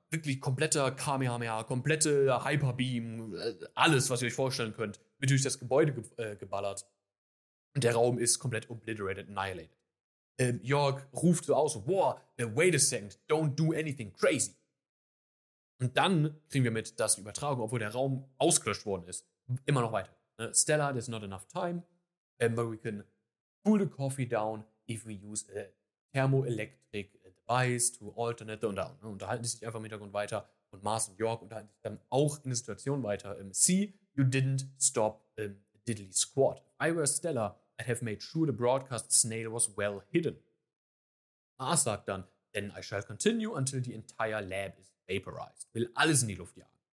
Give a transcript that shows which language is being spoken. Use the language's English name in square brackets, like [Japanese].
[German] wirklich kompletter Kamehameha, komplette Hyper-Beam, alles, was ihr euch vorstellen könnt, wird durch das Gebäude geballert. Und der Raum ist komplett [English] obliterated, annihilated. York [German] ruft so aus, [English] wow, wait a second, don't do anything crazy. [German] Und dann kriegen wir mit, dass die Übertragung, obwohl der Raum ausgelöscht worden ist, immer noch weiter. [English] Stella, there's not enough time, but we can cool the coffee down if we use a thermoelectric device to alternate the undown. [German] Und unterhalten sich einfach im Hintergrund weiter. Und Mars und York unterhalten sich dann auch in der Situation weiter. [English] See, you didn't stop diddly squat. If I were Stella, I'd have made sure the broadcast snail was well hidden. Mars [German] sagt dann, [English] then I shall continue until the entire lab is vaporized. [German] Will alles in die Luft jagen.